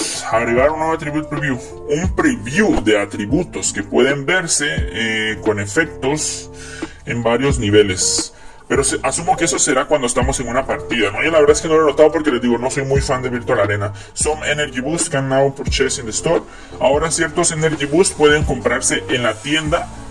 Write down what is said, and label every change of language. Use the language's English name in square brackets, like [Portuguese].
[Spanish] Agregaron un nuevo atributo preview. Un preview de atributos que pueden verse con efectos en varios niveles. Pero asumo que eso será cuando estamos en una partida, ¿no? Y la verdad es que no lo he notado porque les digo, no soy muy fan de Virtual Arena. [English] Some Energy Boost can now purchase in the store. [Spanish] Ahora ciertos Energy Boost pueden comprarse en la tienda.